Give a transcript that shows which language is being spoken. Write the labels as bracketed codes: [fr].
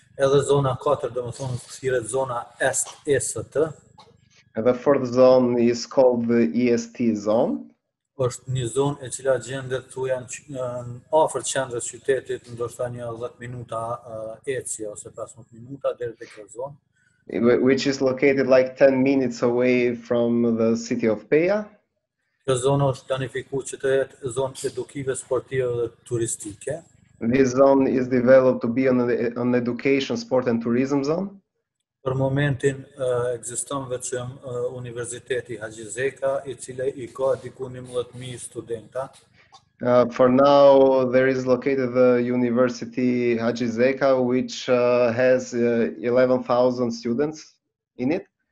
[sq] Edhe zona 4, dhe më thonë, thiret zona EST. [en] The fourth zone is called the EST zone. [sq] Është një zonë e cila gjendet të janë në afër qendrës qytetit, ndoshta një 10 minuta ecje ose 15 minuta deri tek këtë zonë. [en] Which is located like 10 minutes away from the city of PEA. [sq] Kjo zonë është planifikuar që të jetë zonë edukive, sportive dhe turistike. [en] This zone is developed to be an education, sport and tourism zone. [sq] Për momentin ekziston vetëm Universiteti Haxhi Zeka, i cili i ka diku 11,000 studenta. [en] For now there is located the University Haxhi Zeka which has 11,000 students in it.